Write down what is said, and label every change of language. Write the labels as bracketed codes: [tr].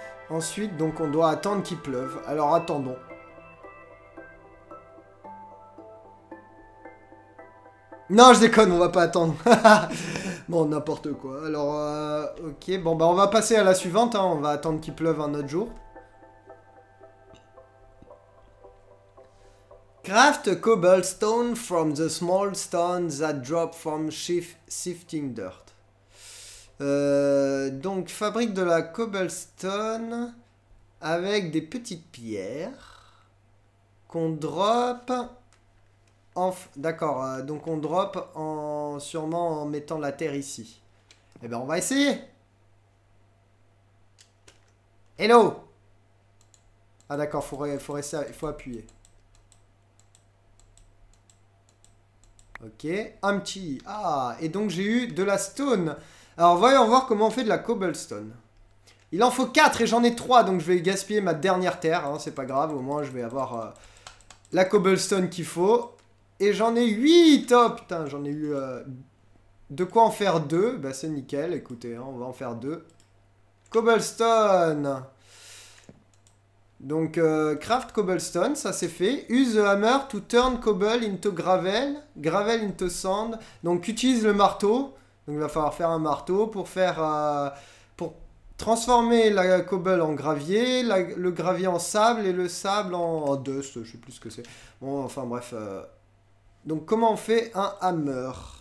[fr] Ensuite, donc on doit attendre qu'il pleuve. Alors attendons. Non, je déconne, on va pas attendre. Bon, n'importe quoi. Alors, ok. Bon, bah, on va passer à la suivante. Hein. On va attendre qu'il pleuve un autre jour. [en] Craft cobblestone from the small stones that drop from sifting dirt. [fr] Donc, fabrique de la cobblestone avec des petites pierres qu'on drop... D'accord, donc on drop en sûrement en mettant la terre ici. Eh bien, on va essayer. Hello. Ah d'accord, faut appuyer. Ok, empty. Ah, et donc j'ai eu de la stone. Alors, voyons voir comment on fait de la cobblestone. Il en faut 4 et j'en ai 3, donc je vais gaspiller ma dernière terre. Hein, c'est pas grave, au moins je vais avoir la cobblestone qu'il faut. Et j'en ai 8, oh putain, j'en ai eu de quoi en faire 2, bah c'est nickel, écoutez, hein, on va en faire 2. Cobblestone. Donc, craft cobblestone, ça c'est fait. [en] Use the hammer to turn cobble into gravel, gravel into sand. [fr] Donc, utilise le marteau, donc il va falloir faire un marteau pour faire, pour transformer la cobble en gravier, le gravier en sable et le sable en dust, je sais plus ce que c'est. Bon, enfin bref... Donc, comment on fait un hammer?